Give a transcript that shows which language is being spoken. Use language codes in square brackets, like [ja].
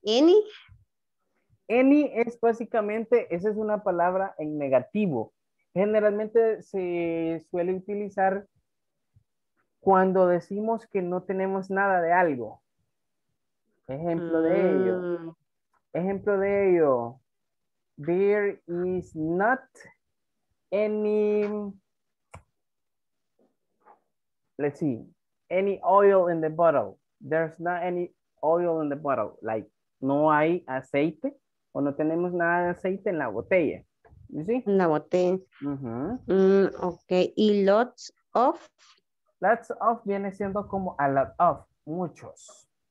[en] Any? [es] Any es básicamente, esa es una palabra en negativo. Generalmente se suele utilizar cuando decimos que no tenemos nada de algo. Ejemplo de ello. Ejemplo de ello. [en] There is not any, let's see, any oil in the bottle. There's not any oil in the bottle. [es] Like, no hay aceite o no tenemos nada de aceite en la botella. [en] You see? [es] En la botella. Ok. Y lots of. Lots of viene siendo como a lot of, muchos.